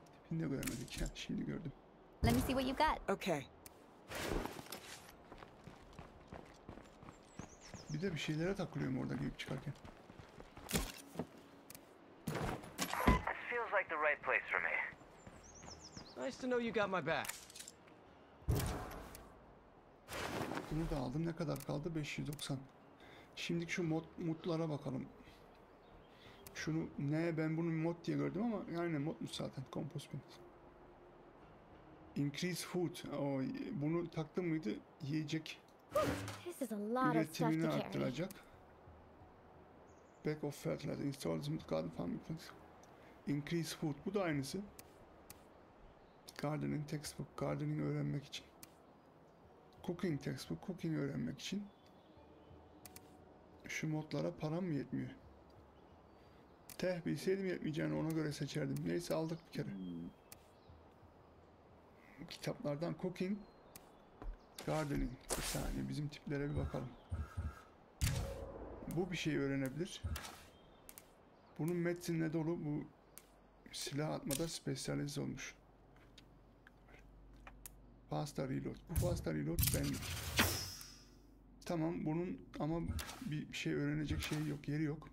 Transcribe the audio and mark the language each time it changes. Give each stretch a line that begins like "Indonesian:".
Turkish: Ne göremedik ya, şimdi gördüm.
English: Let me see what you got. Okay.
Turkish: Bir de bir şeylere takılıyorum orada girip çıkarken.
English: This feels like the right place for me. Nice to know you got my back.
Turkish: Bunu da aldım. Ne kadar kaldı? 590. Şimdiki şu modlara bakalım. Şunu ne, ben bunu mod diye gördüm ama yani modmuş zaten, compost bin. Increase food. O bunu taktım mıydı? Yiyecek.
English: This is a lot of stuff to carry.
Turkish: Üretimini arttıracak.
English: Bag of fertilizer installs in the garden farming plants. Increase food. Bu da aynısı. Gardening textbook.
Turkish: Gardening öğrenmek için. Cooking textbook. Cooking öğrenmek için. Şu modlara param mı yetmiyor? Teh bilseydim yetmeyeceğini ona göre seçerdim. Neyse aldık bir kere. Kitaplardan cooking, gardening. Bir saniye bizim tiplere bir bakalım. Bu bir şey öğrenebilir. Bunun metinle dolu, bu silah atmada spesyalize olmuş. Faster reload. Bu faster reload benlik. Tamam bunun ama bir şey öğrenecek şey yok, yeri yok.